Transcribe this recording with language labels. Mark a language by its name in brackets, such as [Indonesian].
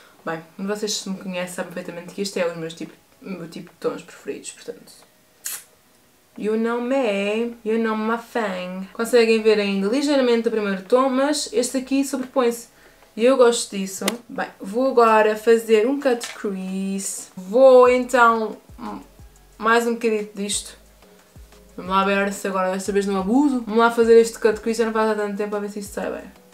[Portuguese] Bem, vocês me conhecem, sabem perfeitamente que este é o meu tipo de tons preferidos, portanto. [English] You know me, you know my thing. [Portuguese] Conseguem ver ainda ligeiramente o primeiro tom, mas este aqui sobrepõe-se. E eu gosto disso. Bem, vou agora fazer um cut crease. Vou então mais um bocadinho disto. Vamos lá ver se agora desta vez não abuso. Vamos lá fazer este cut crease, já não faz há tanto tempo, a ver se isto sai bem.